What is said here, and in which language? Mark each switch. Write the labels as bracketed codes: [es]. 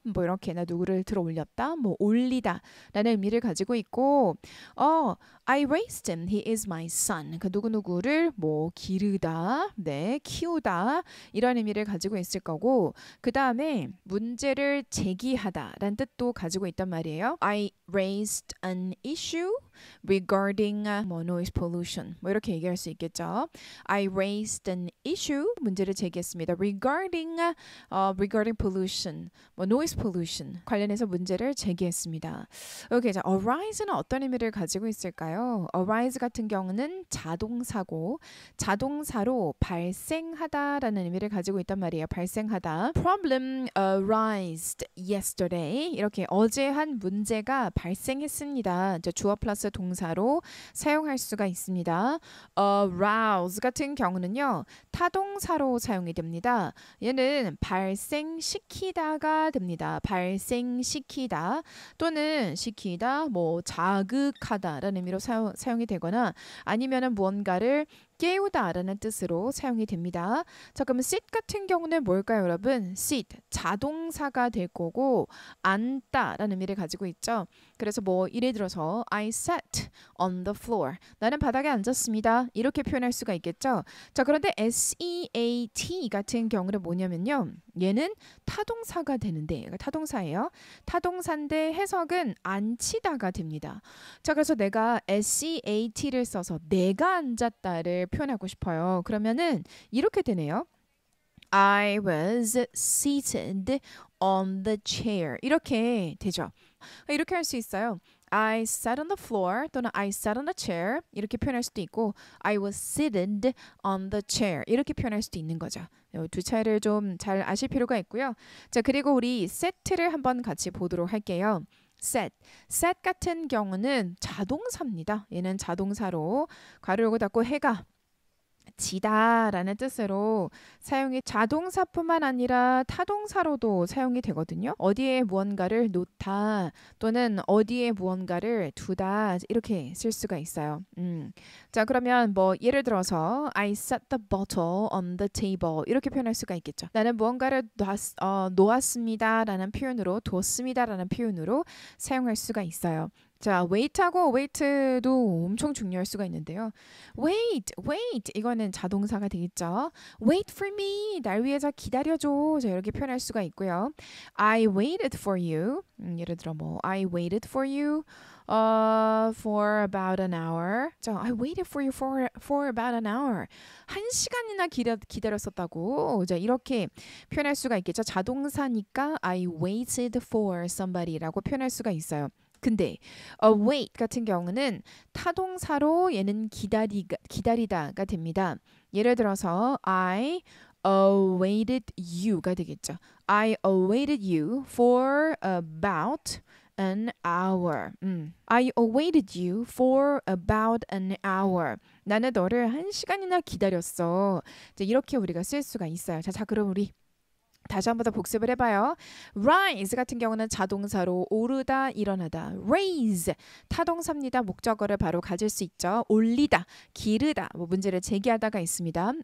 [ko] 뭐 이렇게 나 누구를 들어 올렸다. 뭐 올리다라는 의미를 가지고 있고 [en] I raised him. He is my son. [ko] 그 누구누구를 뭐 기르다. 네, 키우다. 이런 의미를 가지고 있을 거고 그다음에 문제를 제기하다라는 뜻도 가지고 있단 말이에요. [en] I raised an issue regarding noise pollution. [ko] 뭐 이렇게 얘기할 수 있겠죠. [en] I raised an issue [ko] 문제를 제기했습니다. [en] Regarding pollution, noise pollution [ko] 관련해서 문제를 제기했습니다. Okay, 자, arise는 어떤 의미를 가지고 있을까요? Arise 같은 경우는 자동사고 자동사로 발생하다라는 의미를 가지고 있단 말이에요. 발생하다. [en] Problem arose yesterday. [ko] 이렇게 어제 한 문제가 발생했습니다. 이제 주어 플러스 동사로 사용할 수가 있습니다. Arouse 같은 경우는요 타동사로 사용이 됩니다. 얘는 발생시키다가 됩니다. 발생시키다 또는 시키다 뭐 자극하다라는 의미로 사용이 되거나 아니면은 무언가를 깨우다라는 뜻으로 사용이 됩니다. 자, 그럼 sit 같은 경우는 뭘까요, 여러분? sit 자동사가 될 거고 앉다라는 의미를 가지고 있죠. 그래서 뭐 예를 들어서 [en] I sat on the floor. [ko] 나는 바닥에 앉았습니다. 이렇게 표현할 수가 있겠죠. 자, 그런데 sat 같은 경우는 뭐냐면요. 얘는 타동사가 되는데 타동사예요. 타동사인데 해석은 앉히다가 됩니다. 자, 그래서 내가 sat를 써서 내가 앉았다를 표현하고 싶어요. 그러면은 이렇게 되네요. [en] I was seated on the chair. [ko] 이렇게 되죠. 이렇게 할 수 있어요. [en] I sat on the floor [ko] 또는 [en] I sat on a chair [ko] 이렇게 표현할 수도 있고 [en] I was seated on the chair [ko] 이렇게 표현할 수도 있는 거죠. 두 차이를 좀 잘 아실 필요가 있고요. 자, 그리고 우리 set를 한번 같이 보도록 할게요. [en] set. [ko] set 같은 경우는 자동사입니다. 얘는 자동사로 괄호 열고 닫고 해가 지다 라는 뜻으로 사용이 자동사뿐만 아니라 타동사로도 사용이 되거든요. 어디에 무언가를 놓다 또는 어디에 무언가를 두다 이렇게 쓸 수가 있어요. 자 그러면 뭐 예를 들어서 [en] I set the bottle on the table [ko] 이렇게 표현할 수가 있겠죠. 나는 무언가를 놓았습니다 라는 표현으로 뒀습니다 라는 표현으로 사용할 수가 있어요. 자, wait하고 wait도 엄청 중요할 수가 있는데요. wait, 이거는 자동사가 되겠죠. [en] wait for me, [ko] 날 위해서 기다려줘. 자, 이렇게 표현할 수가 있고요. [en] I waited for you, [ko] 예를 들어 뭐 [en] I waited for you for about an hour. 자, I waited for you for about an hour. [ko] 한 시간이나 기다렸었다고. 자, 이렇게 표현할 수가 있겠죠. 자동사니까 [en] I waited for somebody [ko] 라고 표현할 수가 있어요. 근데 await 같은 경우는 타동사로 얘는 기다리다가 됩니다. 예를 들어서 I [en] awaited you가 [ko] 되겠죠. [en] I awaited you for about an hour. I awaited you for about an hour. [ko] 나는 너를 한 시간이나 기다렸어. 이제 이렇게 우리가 쓸 수가 있어요. 자, 그럼 우리 다시 한번 더 복습을 해봐요. Rise 같은 경우는 자동사로 오르다, 일어나다. Raise 타동사입니다. 목적어를 바로 가질 수 있죠. 올리다, 기르다, 뭐 문제를 제기하다가 있습니다.